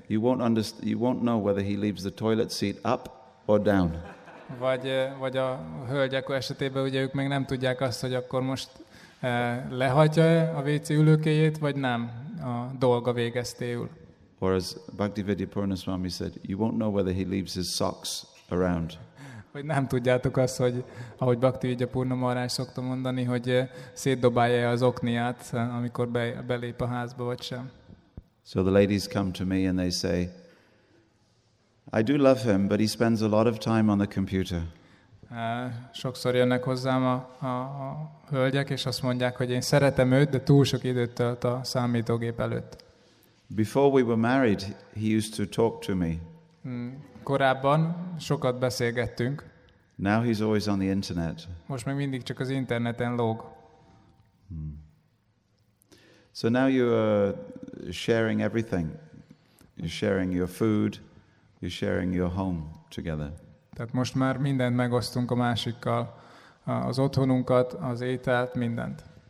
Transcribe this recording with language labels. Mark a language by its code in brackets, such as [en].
[en] You won't know whether he leaves the toilet seat up or down. [hu] Vagy a hölgyek esetében ugye ők meg nem tudják azt, hogy akkor most lehagyja-e a WC ülőkéjét, vagy nem, a dolga végeztéül. [en] Or as Bhaktivedya Purnaswami said, you won't know whether he leaves his socks around. [hu] Vagy nem tudjátok azt, hogy ahogy Bhaktivedya Purnamahárás szokta mondani, hogy szétdobálja-e az okniát, amikor belép a házba, vagy sem. [en] So the ladies come to me and they say, I do love him, but he spends a lot of time on the computer. [hu] Sokszor jönnek hozzám a hölgyek, és azt mondják, hogy én szeretem őt, de túl sok időt tölt a számítógép előtt. [en] Before we were married, he used to talk to me. [hu] Korábban sokat beszélgettünk. [en] Now he's always on the internet. [hu] Most meg mindig csak az interneten lóg. [en] So now you are sharing everything. You're sharing your food, you're sharing your home together. [hu] Tehát most már mindent megosztunk a másikkal, az otthonunkat, az ételt, mindent.